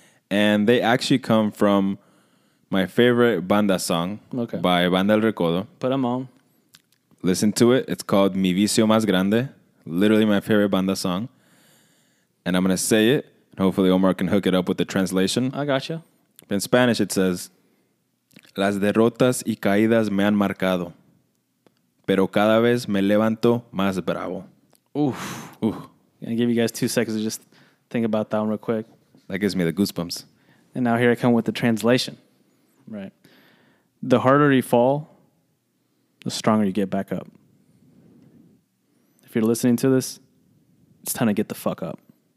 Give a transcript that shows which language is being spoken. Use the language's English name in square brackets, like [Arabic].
[English] And they actually come from my favorite banda song by Banda El Recodo. Put them on. Listen to it. It's called Mi Vicio Más Grande. Literally my favorite banda song. And I'm going to say it. And hopefully Omar can hook it up with the translation. I gotcha. In Spanish it says, [Spanish] las derrotas y caídas me han marcado, pero cada vez me levanto más bravo. Oof. Oof. [English] I'm going to give you guys 2 seconds to just think about that one real quick. That gives me the goosebumps. And now here I come with the translation. Right. The harder you fall, the stronger you get back up. If you're listening to this, it's time to get the fuck up.